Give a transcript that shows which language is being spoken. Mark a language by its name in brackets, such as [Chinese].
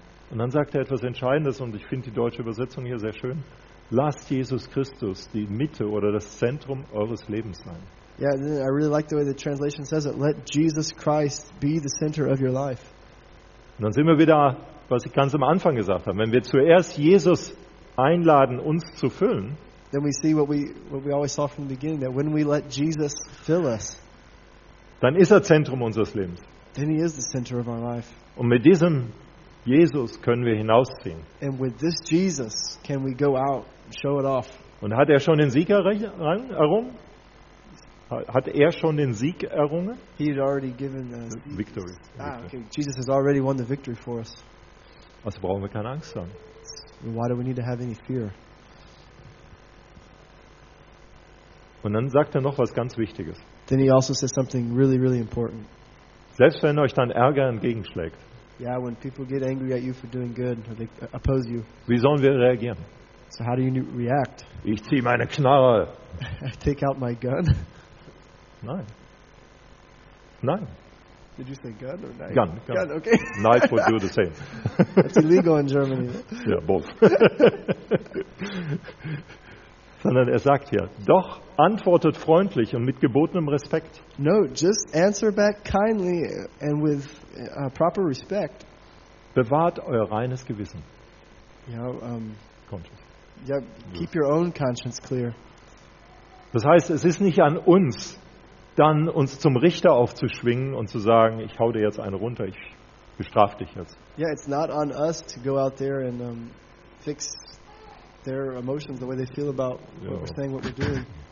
[German] Und dann sagt er etwas Entscheidendes, und ich finde die deutsche Übersetzung hier sehr schön. Lasst Jesus Christus die Mitte oder das Zentrum eures Lebens sein. [English] Yeah, I really like the way the translation says it. Let Jesus Christ be the center of your life. [German] Und dann sind wir wieder, was ich ganz am Anfang gesagt habe. Wenn wir zuerst Jesus einladen, uns zu füllen, [English] then we see what we always saw from the beginning, that when we let Jesus fill us, [German] dann ist er Zentrum unseres Lebens. [English] Then he is the center of our life. [German] Und mit diesem Jesus können wir hinausziehen. [English] And with this Jesus can we go out and show it off. [German] Und hat er schon den Sieg errungen? Hat er schon den Sieg errungen? [English] He had already given the victory. Okay. Jesus has already won the victory for us. [German] Also brauchen wir keine Angst haben. [English] Why do we need to have any fear? [German] Und dann sagt er noch was ganz Wichtiges. [English] Then he also says something really, really important. [German] Selbst wenn euch dann Ärger entgegenschlägt. [English] Yeah, when people get angry at you for doing good, or they oppose you. [German] Wie sollen wir reagieren? [English] So how do you react? [German] Ich zieh meine Knarre. [English] I take out my gun. [German] Nein. Nein. [English] Did you say gun or knife? Gun, okay. Knife would do the same. It's illegal in Germany. Yeah, both. [German] Sondern er sagt hier, doch antwortet freundlich und mit gebotenem Respekt. [English] No, just answer back kindly and with proper respect. [German] Bewahrt euer reines Gewissen. [English] Yeah, conscience. Yeah, keep your own conscience clear. [German] Das heißt, es ist nicht an uns, dann uns zum Richter aufzuschwingen und zu sagen, ich hau dir jetzt eine runter, ich bestrafe dich jetzt. [English] Yeah, it's not on us to go out there and fix their emotions, the way they feel about what we're saying, what we're doing.